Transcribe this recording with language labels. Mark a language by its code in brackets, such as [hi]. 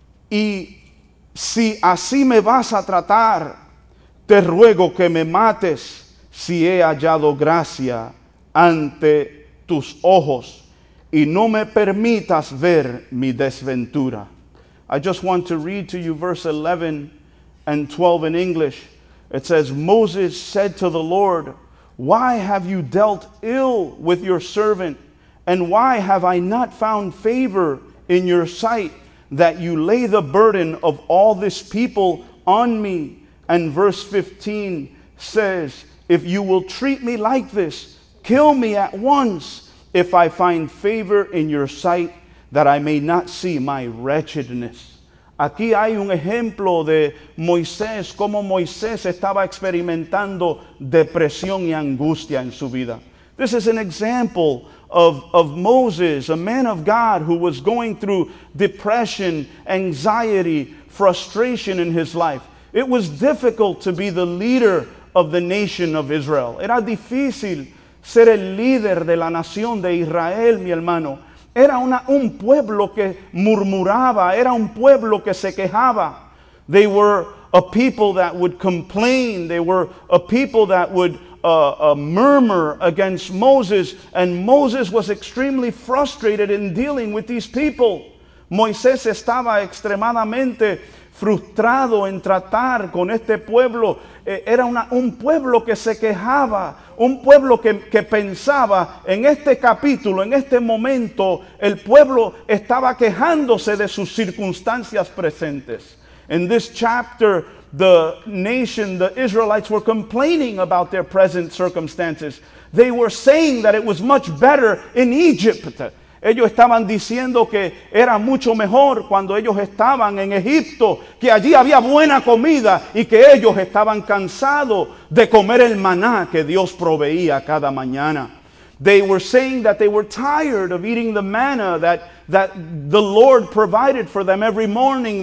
[es] Y si así me vas a tratar, te ruego que me mates si he hallado gracia ante tus ojos, y no me permitas ver mi desventura. [en] I just want to read to you verse 11 and 12 in English. It says, Moses said to the Lord, why have you dealt ill with your servant, and why have I not found favor in your sight, that you lay the burden of all this people on me? And verse 15 says, if you will treat me like this, kill me at once, if I find favor in your sight, that I may not see my wretchedness. [es] Aquí hay un ejemplo de Moisés, cómo Moisés estaba experimentando depresión y angustia en su vida. [en] This is an example of Moses, a man of God who was going through depression, anxiety, frustration in his life. It was difficult to be the leader of the nation of Israel. [es] Era difícil ser el líder de la nación de Israel, mi hermano. Era un pueblo que murmuraba, era un pueblo que se quejaba. [en] They were a people that would complain. They were a people that would murmur against Moses. And Moses was extremely frustrated in dealing with these people. [es] Moisés estaba extremadamente frustrado en tratar con este pueblo. Era un pueblo que se quejaba, un pueblo que pensaba en este capítulo, en este momento, el pueblo estaba quejándose de sus circunstancias presentes. [en] In this chapter, the nation, the Israelites, were complaining about their present circumstances. They were saying that it was much better in Egypt. [es] Ellos estaban diciendo que era mucho mejor cuando ellos estaban en Egipto, que allí había buena comida y que ellos estaban cansados de comer el maná que Dios proveía cada mañana. [en] They were saying that they were tired of eating the manna that the Lord provided for them every morning.